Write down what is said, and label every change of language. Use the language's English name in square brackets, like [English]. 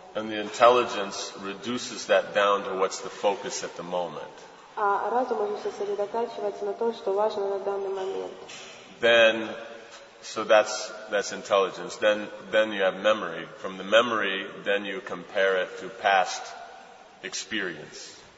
[English] And the intelligence reduces that down to what's the focus at the moment. [Russian] А разум уже сосредотачивается на том, что важно на данный момент. [English] Then, so that's intelligence. Then you have memory. From the memory, then you compare it to past experience.